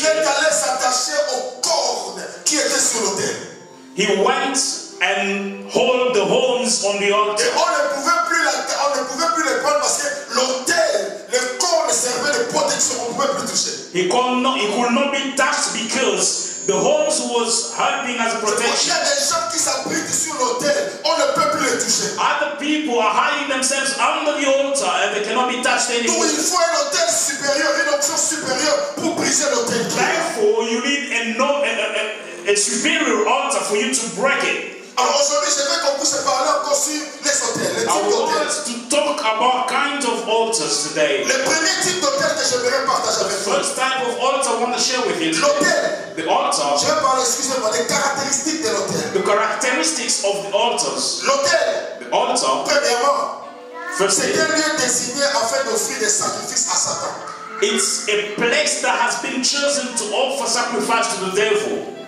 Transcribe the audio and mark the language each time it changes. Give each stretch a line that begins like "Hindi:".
English: he went and hold the horns on the altar.
French: On ne pouvait plus les prendre parce que l'autel, le corps servait de protection. On ne pouvait plus toucher.
English: He could not be touched because the horns was helping as a protection.
French: Il y a des gens qui s'abritent sur l'autel. On ne peut plus les toucher.
English: Other people are hiding themselves under the altar and they cannot be touched anymore.
French: Donc il faut un autel supérieur, une onction supérieure pour briser l'autel.
English: Therefore, you need a superior altar for you to break it.
French: Alors aujourd'hui, je veux qu'on puisse parler encore sur les
English: want to talk about kinds of altars today.
French: Le premier type d'autel que j'aimerais partager avec vous.
English: First type of altar I want to share with you.
French: L'autel.
English: The altar.
French: Je vais parler, excusez-moi, des caractéristiques de l'autel.
English: The characteristics of the altars.
French: L'autel.
English: The altar.
French: Premièrement.
English: First thing.
French: C'est un lieu désigné afin d'offrir des sacrifices à Satan.
English: It's a place that has been chosen to offer sacrifice to the devil.